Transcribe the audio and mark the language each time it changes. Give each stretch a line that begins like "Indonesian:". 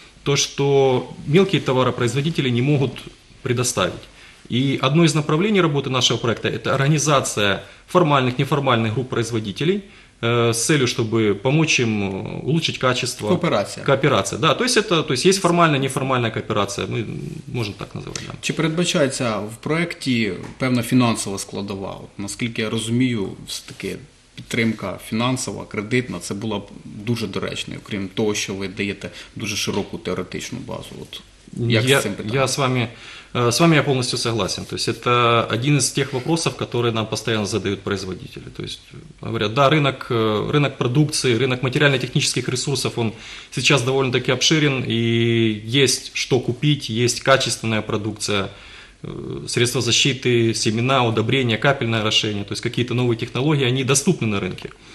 Russian: То, что мелкие товаропроизводители не могут предоставить. И одно из направлений работы нашего проекта – это организация формальных, неформальных групп производителей, с целью, чтобы помочь им улучшить качество. Кооперация. Кооперация, да. То есть, это, то есть есть формальная, неформальная кооперация, мы можем так называть. Да.
Ukrainian: Чи передбачається в проєкті певна фінансова складова? От, наскільки я розумію, все-таки підтримка фінансова, кредитна, це була б дуже доречною, крім того, що ви даєте дуже широку теоретичну базу. От, як я, з цим питанням? Я з вами...
Russian: С вами я полностью согласен. То есть это один из тех вопросов, которые нам постоянно задают производители. То есть говорят, да, рынок продукции, рынок материально-технических ресурсов, он сейчас довольно-таки обширен, и есть что купить, есть качественная продукция, средства защиты, семена, удобрения, капельное орошение, то есть какие-то новые технологии, они доступны на рынке.